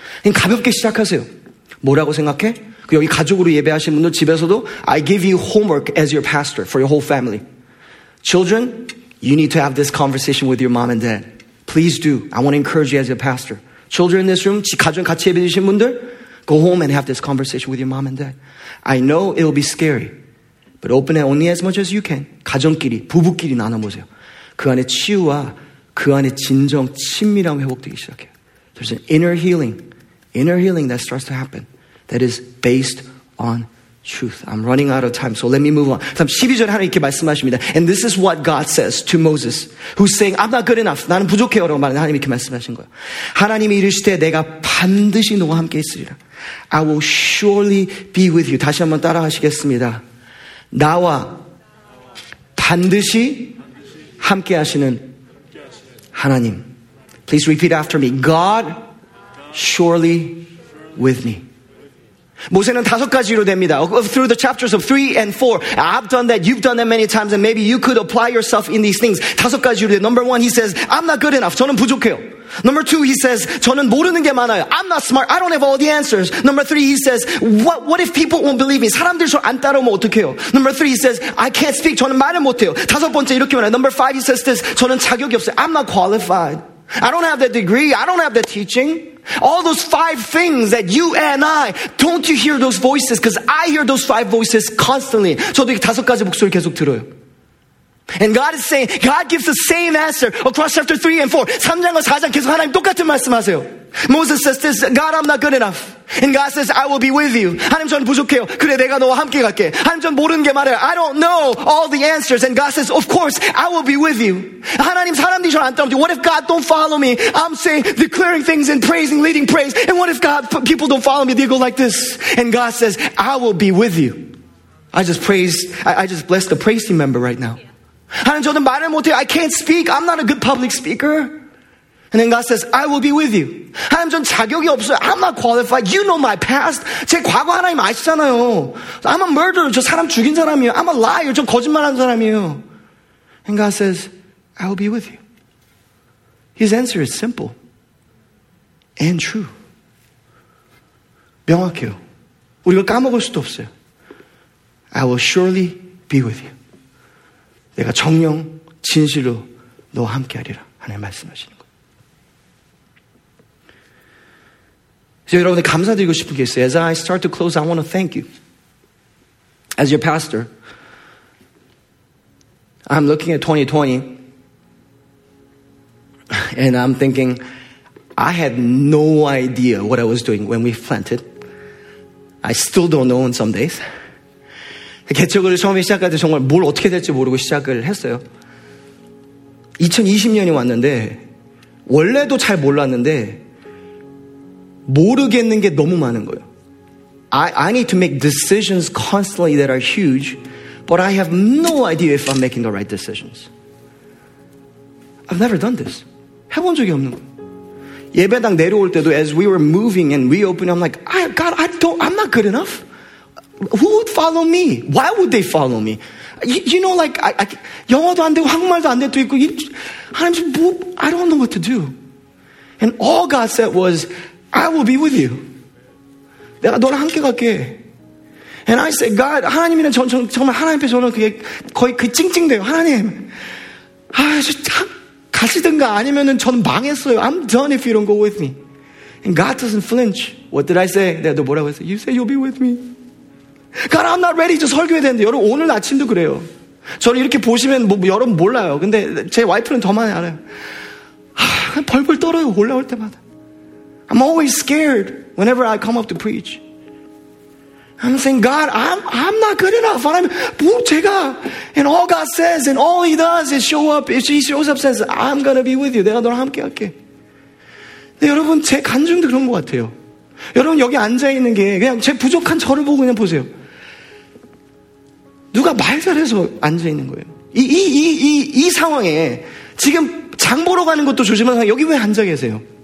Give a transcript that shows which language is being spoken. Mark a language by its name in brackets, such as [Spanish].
[Korean] 그냥 가볍게 시작하세요. 뭐라고 생각해? 그 여기 가족으로 예배하신 분들 집에서도 [English] I give you homework as your pastor for your whole family. Children, you need to have this conversation with your mom and dad. Please do. I want to encourage you as your pastor. Children in this room, [Korean] 가족 같이 예배 주신 분들, [English] go home and have this conversation with your mom and dad. I know it will be scary, but open it only as much as you can. [Korean] 가정끼리, 부부끼리 나눠보세요. 그 안에 치유와 그 안에 진정, 친밀함 회복되기 시작해요. [English] There's an inner healing that starts to happen that is based on truth. I'm running out of time, so let me move on. [Korean] 12절에 하나님 이렇게 말씀하십니다. [English] And this is what God says to Moses, who's saying, I'm not good enough. [Korean] 나는 부족해요. 라고 말하는 하나님 이렇게 말씀하신 거예요. 하나님이 이르시되 내가 반드시 너와 함께 있으리라. [English] I will surely be with you. [Korean] 다시 한번 따라하시겠습니다. 나와 반드시 함께 하시는 하나님. [English] Please repeat after me. God surely with me. [Korean] 모세는 다섯 가지로 됩니다. [English] Through the chapters of 3 and 4. I've done that, you've done that many times, and maybe you could apply yourself in these things. [Korean] 다섯 가지로 돼요. [English] Number one, he says, I'm not good enough. [Korean] 저는 부족해요. [English] Number two, he says, [Korean] 저는 모르는 게 많아요. [English] I'm not smart. I don't have all the answers. Number three, he says, what if people won't believe me? [Korean] 사람들 저 안 따라오면 어떡해요? [English] Number three, he says, I can't speak. [Korean] 저는 말을 못해요. 다섯 번째, 이렇게 말해요. [English] Number five, he says this, [Korean] 저는 자격이 없어요. [English] I'm not qualified. I don't have that degree. I don't have that teaching. All those five things that you and I, don't you hear those voices? Because I hear those five voices constantly. [Korean] 저도 이렇게 다섯 가지 목소리 계속 들어요. [English] And God is saying, God gives the same answer across chapter 3 and 4. [Korean] 3장과 4장 계속 하나님 똑같은 말씀하세요. [English] Moses says this, God, I'm not good enough. And God says, I will be with you. [Korean] 하나님 저는 부족해요. 그래, 내가 너와 함께 갈게. 하나님 저는 모르는 게 많아요. [English] I don't know all the answers. And God says, of course, I will be with you. [Korean] 하나님 사람들이 저를 안 따라오지. [English] What if God don't follow me? I'm saying, declaring things and praising, leading praise. And what if God, people don't follow me? They go like this. And God says, I will be with you. I just blessed the praise team member right now. [Korean] 하나님 저는 말을 못해요. [English] I can't speak. I'm not a good public speaker. And then God says, I will be with you. [Korean] 하나님 전 자격이 없어요. [English] I'm not qualified. You know my past. [Korean] 제 과거 하나님 아시잖아요. [English] I'm a murderer. [Korean] 저 사람 죽인 사람이에요. [English] I'm a liar. [Korean] 저 거짓말하는 사람이에요. [English] And God says, I will be with you. His answer is simple and true. [Korean] 명확해요. 우리가 까먹을 수도 없어요. [English] I will surely be with you. [Korean] 내가 정녕 진실로 너와 함께하리라. 하나님 말씀하시는 거예요. 여러분들 감사드리고 싶은 게 있어요. [English] As I start to close, I want to thank you. As your pastor, I'm looking at 2020 and I'm thinking, I had no idea what I was doing when we planted. I still don't know in some days. [Korean] 개척을 처음에 시작할 때 정말 뭘 어떻게 될지 모르고 시작을 했어요. 2020년이 왔는데 원래도 잘 몰랐는데 모르겠는 게 너무 많은 거예요. [English] I need to make decisions constantly that are huge, but I have no idea if I'm making the right decisions. I've never done this. [Korean] 해본 적이 없는 거예요. 예배당 내려올 때도 [English] as we were moving and reopening, I'm like, God, I'm not good enough. Who would follow me? Why would they follow me? You know, like, I [Korean] 영어도 안 되고 한국말도 안 돼도 있고 하나님 지금 뭐, [English] I don't know what to do. And all God said was, I will be with you. [Korean] 내가 너랑 함께 갈게. [English] And I said, God, [Korean] 하나님이랑 정말 하나님 앞에 저는 그게 거의 그 찡찡돼요. 하나님, 아, 진짜 가시든가 아니면은 저는 망했어요. [English] I'm done if you don't go with me. And God doesn't flinch. What did I say? [Korean] 내가 너 뭐라고 했어? [English] You say you'll be with me. God, I'm not ready. [Korean] 저 설교해야 되는데 여러분 오늘 아침도 그래요. 저를 이렇게 보시면 뭐, 여러분 몰라요. 근데 제 와이프는 더 많이 알아요. 하, 벌벌 떨어요. 올라올 때마다. [English] I'm always scared whenever I come up to preach. I'm saying, God, I'm not good enough. I'm, [Korean] 뭐 제가, [English] and all God says and all he does is show up. If he shows up says, I'm going to be with you. [Korean] 내가 너랑 함께 할게. 근데 여러분 제 간증도 그런 것 같아요. 여러분 여기 앉아있는 게 그냥 제 부족한 저를 보고 그냥 보세요. 누가 말 잘해서 앉아있는 거예요. 이 상황에 지금 장 보러 가는 것도 조심하세요. 여기 왜 앉아 계세요?